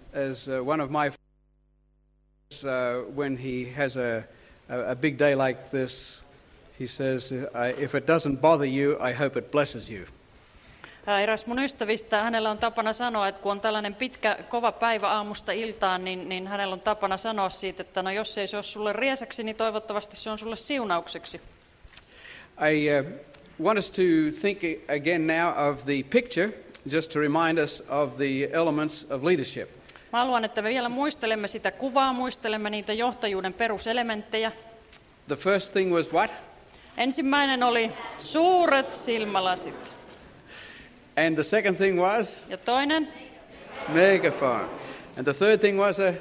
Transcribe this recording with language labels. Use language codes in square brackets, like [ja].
[en] As one of my friends, when he has a big day like this, he says, if it doesn't bother you, I hope it blesses you. [fi] Eräs mun ystävistä, hänellä on tapana sanoa, että kun on tällainen pitkä, kova päivä aamusta iltaan, niin hänellä on tapana sanoa siitä, että no jos ei se ole sulle riesäksi, niin toivottavasti se on sulle siunaukseksi. [en] I want us to think again now of the picture, just to remind us of the elements of leadership. [fi] Mä haluan, että me vielä muistelemme sitä kuvaa, muistelemme niitä johtajuuden peruselementtejä. [en] The first thing was what? [fi] Ensimmäinen oli suuret silmälasit. [en] And the second thing was? [fi] Ja toinen? [en] Megaphone. And the third thing was a?